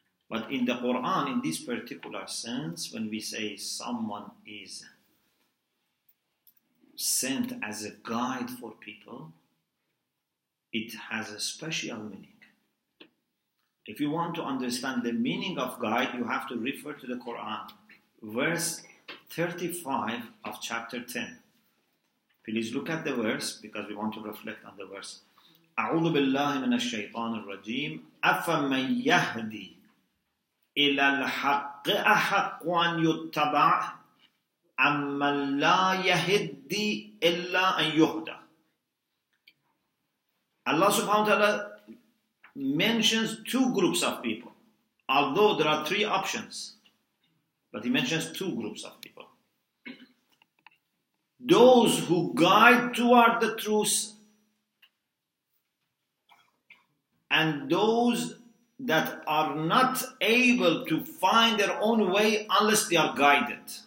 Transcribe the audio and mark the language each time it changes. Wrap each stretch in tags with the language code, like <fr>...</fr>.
<en>But in the Quran, in this particular sense, when we say someone is sent as a guide for people, it has a special meaning. If you want to understand the meaning of guide, you have to refer to the Quran. Verse 35 of chapter 10. Please look at the verse, because we want to reflect on the verse.</en> <ar>أعوذ بالله من الشيطان الرجيم أَفَمَنْ يَهْدِي إِلَى الْحَقِّ أَحَقُّ أَنْ يُتَّبَعْ أَمَّنْ لَا يَهِدِّي إِلَّا أَنْ يُهْدَى.</ar> <en>Allah subhanahu wa ta'ala mentions two groups of people, although there are three options, but he mentions two groups of people. Those who guide toward the truth, and those that are not able to find their own way unless they are guided.</en>